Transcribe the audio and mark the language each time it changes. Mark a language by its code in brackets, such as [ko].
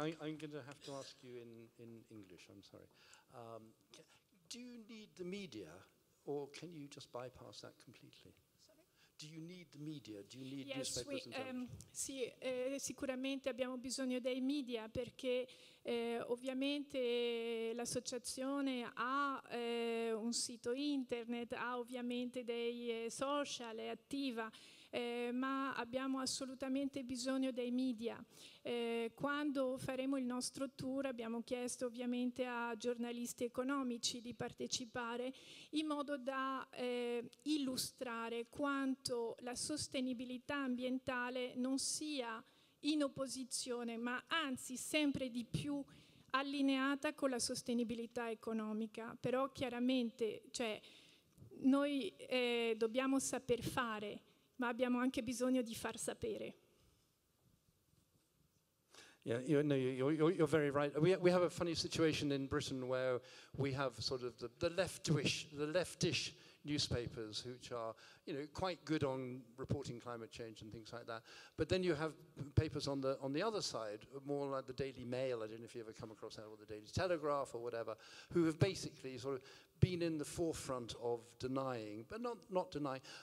[en] I'm going to have to ask you in English, I'm sorry. Do you need the media, or can you just bypass that completely? Sorry? Do you need the media? Do you need newspapers and television? [it] Sì, sicuramente abbiamo bisogno dei media, perché ovviamente l'associazione ha un sito internet, ha ovviamente dei social, è attiva. Ma abbiamo assolutamente bisogno dei media. Quando faremo il nostro tour abbiamo chiesto ovviamente a giornalisti economici di partecipare, in modo da illustrare quanto la sostenibilità ambientale non sia in opposizione, ma anzi sempre di più allineata con la sostenibilità economica. Però chiaramente, cioè, noi dobbiamo saper fare, ma abbiamo anche bisogno di far sapere. [en] Yeah, you're very right. We have a funny situation in Britain where we have sort of the leftish newspapers, which are, you know, quite good on reporting climate change and things like that. But then you have papers on the other side, more like the Daily Mail. I don't know if you ever come across that, or the Daily Telegraph or whatever, who have basically sort of been in the forefront of denying, but not denying.